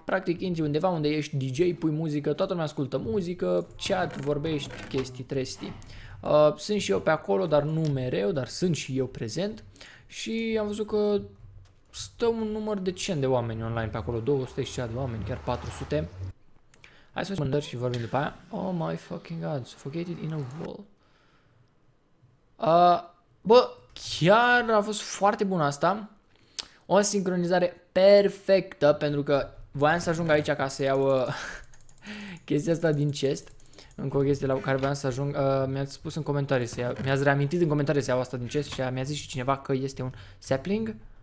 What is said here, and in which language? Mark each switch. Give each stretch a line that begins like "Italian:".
Romanian: Practic intri undeva unde ești DJ, pui muzică, toată lumea ascultă muzică, chat, vorbești, chestii, trestii. Sunt și eu pe acolo, dar nu mereu, dar sunt și eu prezent și am văzut că stă un număr decent de oameni online pe acolo, 200 și ceva de oameni, chiar 400. Hai să mândăr și vorbim după aia.
English: Oh my fucking god, suffocated in a wall.
Romanian: Bă, chiar a fost foarte bun asta. O sincronizare perfectă, pentru că voiam să ajung aici ca să iau chestia asta din chest. Încă o chestie la care voiam să ajung, mi-ați spus în comentarii să iau, mi-ați reamintit în comentarii să iau asta din chest și mi-a zis și cineva că este un sapling.